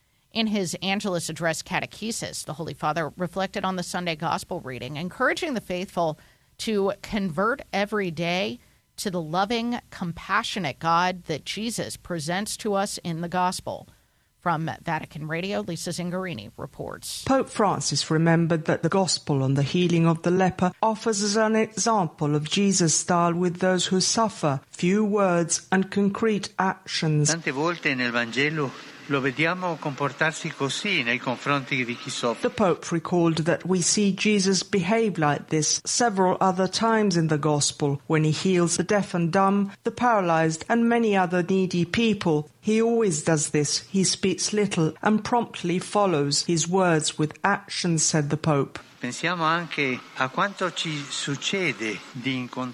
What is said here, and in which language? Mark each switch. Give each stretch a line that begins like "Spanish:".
English: In his Angelus Address Catechesis, the Holy Father reflected on the Sunday Gospel reading, encouraging the faithful to convert every day to the loving, compassionate God that Jesus presents to us in the Gospel. From Vatican Radio, Lisa Zingarini reports. Pope Francis remembered that the Gospel on the healing of the leper offers us an example of Jesus' style with those who suffer, few words and concrete actions.
Italian: Tante volte nel Vangelo lo vediamo comportarsi così nei confronti di chi soffre.
English: The Pope recalled that we see Jesus behave like this several other times in the Gospel, when he heals the deaf and dumb, the paralyzed, and many other needy people. He always does this. He speaks little and promptly follows his words with action, said the Pope.
Italian: Pensiamo anche a quanto ci succede di incontrare.